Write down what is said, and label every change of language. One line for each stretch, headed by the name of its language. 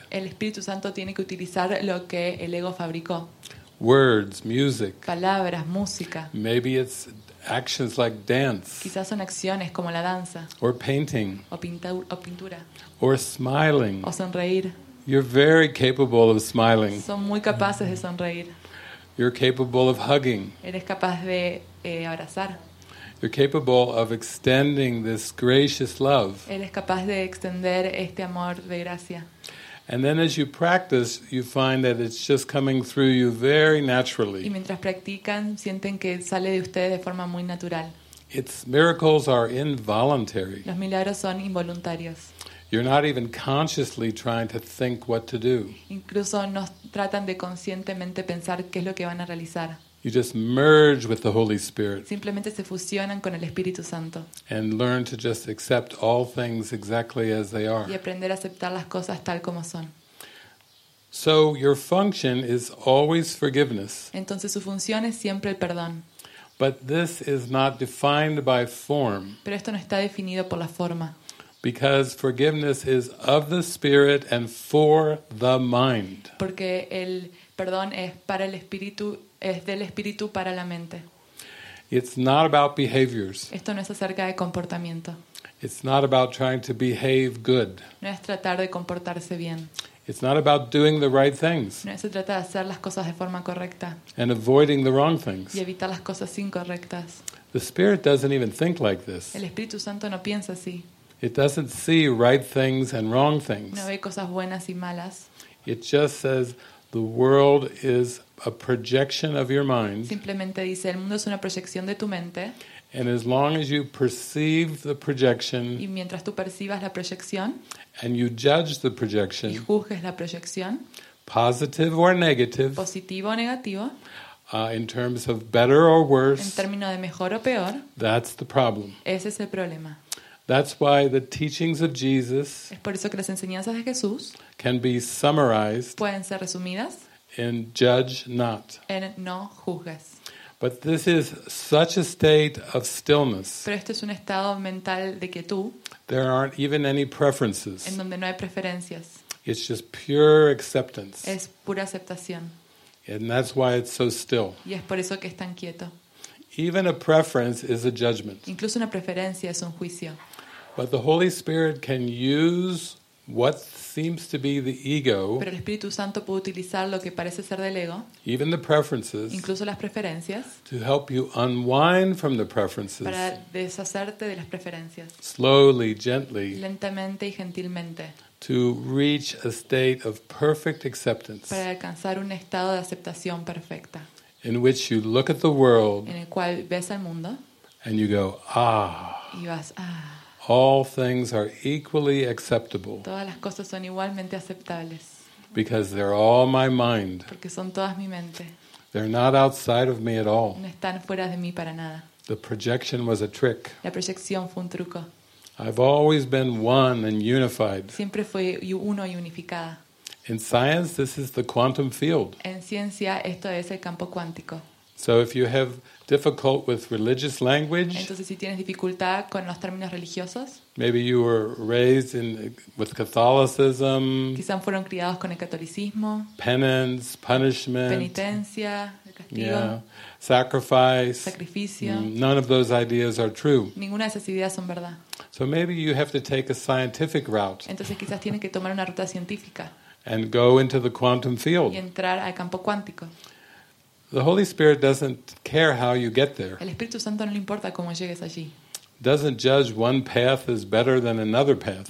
Spanish: El Espíritu Santo tiene que utilizar lo que el ego fabricó.
English: Words, music.
Spanish: Palabras, música.
English: Maybe it's actions like dance.
Spanish: Quizás son acciones como la danza.
English: Or painting.
Spanish: O pintura.
English: Or smiling.
Spanish: O sonreír.
English: You're very capable of smiling.
Spanish: Son muy capaces de sonreír.
English: You're capable of hugging.
Spanish: Eres capaz de abrazar.
English: You're capable of extending this gracious love.
Spanish: Eres capaz de extender este amor de gracia.
English: And then as you practice, you find that it's just coming through you very naturally.
Spanish: Y mientras practican, sienten que sale de ustedes de forma muy natural.
English: Its miracles are involuntary.
Spanish: Los milagros son involuntarios.
English: You're not even consciously trying to think what to do.
Spanish: Incluso no tratan de conscientemente pensar qué es lo que van a realizar.
English: You just merge with the Holy Spirit.
Spanish: Simplemente se fusionan con el Espíritu Santo.
English: And learn to just accept all things exactly as they are.
Spanish: Y aprender a aceptar las cosas tal como son.
English: So your function is always forgiveness.
Spanish: Entonces su función es siempre el perdón.
English: But this is not defined by form.
Spanish: Pero esto no está definido por la forma.
English: Because forgiveness is of the spirit and for the mind.
Spanish: Porque el perdón es para el espíritu, es del espíritu para la mente.
English: It's not about behaviors.
Spanish: Esto no es acerca de comportamiento.
English: It's not about trying to behave good.
Spanish: No es tratar de comportarse bien.
English: It's not about doing the right things.
Spanish: No se trata de hacer las cosas de forma correcta.
English: And avoiding the wrong things.
Spanish: Y evitar las cosas incorrectas.
English: The Spirit doesn't even think like this.
Spanish: El Espíritu Santo no piensa así.
English: It doesn't see right things and wrong things.
Spanish: No ve cosas buenas y malas.
English: It just says the world is a projection of your mind.
Spanish: Simplemente dice el mundo es una proyección de tu mente.
English: And as long as you perceive the projection,
Spanish: y mientras tú percibas la proyección,
English: and you judge the projection,
Spanish: y juzgues la proyección,
English: positive or negative,
Spanish: positivo o negativo,
English: in terms of better or worse,
Spanish: en término de mejor o peor,
English: that's the problem.
Spanish: Ese es el problema.
English: That's why the teachings of Jesus,
Spanish: es por eso que las enseñanzas de Jesús,
English: can be summarized,
Spanish: pueden ser resumidas,
English: in judge not,
Spanish: en no juzgues.
English: But this is such a state of stillness.
Spanish: Pero este es un estado mental de quietud.
English: There aren't even any preferences.
Spanish: En donde no hay preferencias.
English: It's just pure acceptance.
Spanish: Es pura aceptación.
English: And that's why it's so still.
Spanish: Y es por eso que es tan quieto.
English: Even a preference is a judgment.
Spanish: Incluso una preferencia es un juicio.
English: But the Holy Spirit can use what seems to be the ego,
Spanish: pero el Espíritu Santo puede utilizar lo que parece ser del ego,
English: even the preferences,
Spanish: incluso las preferencias,
English: to help you unwind from the preferences,
Spanish: para deshacerte de las preferencias,
English: slowly, gently,
Spanish: lentamente y gentilmente,
English: to reach a state of perfect acceptance,
Spanish: para alcanzar un estado de aceptación perfecta,
English: in which you look at the world,
Spanish: en el cual ves al mundo,
English: and you go, ah,
Spanish: y vas, ah.
English: All things are equally acceptable.
Spanish: Todas las cosas son igualmente aceptables.
English: Because they're all my mind.
Spanish: Porque son todas mi mente.
English: They're not outside of me at all.
Spanish: No están fuera de mí para nada.
English: The projection was a trick.
Spanish: La proyección fue un truco.
English: I've always been one and unified.
Spanish: Siempre fui uno y unificada.
English: In science, this is the quantum field.
Spanish: En ciencia, esto es el campo cuántico.
English: So if you have difficult with religious language,
Spanish: entonces si tienes dificultad con los términos religiosos,
English: maybe you were raised in with Catholicism,
Spanish: quizás fueron criados con el catolicismo,
English: penance, punishment,
Spanish: penitencia, castigo,
English: yeah, sacrifice,
Spanish: sacrificio,
English: none of those ideas are true.
Spanish: Ninguna de esas ideas son verdad.
English: So maybe you have to take a scientific route.
Spanish: Entonces quizás tienes que tomar una ruta científica.
English: And go into the quantum field.
Spanish: Y entrar al campo cuántico.
English: The Holy Spirit doesn't care how you get there.
Spanish: El Espíritu Santo no le importa cómo llegues allí.
English: Doesn't judge one path as better than another path.